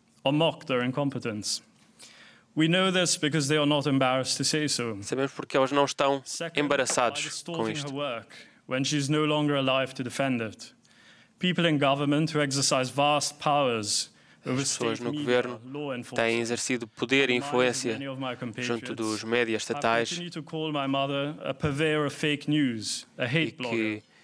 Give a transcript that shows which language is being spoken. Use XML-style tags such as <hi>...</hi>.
<en>Or mock their incompetence. We know this because they are not embarrassed to say so.</en> <pt>Sabemos porque elas não estão embaraçados com isto.</pt> <en>When she is no longer alive to defend it. People in government who exercise vast powers over state media, law enforcement.</en> <pt>As pessoas no governo têm exercido poder e influência junto dos médias estatais.</pt> <en>I continue to call my mother a purveyor of fake news, a hate blogger.</en>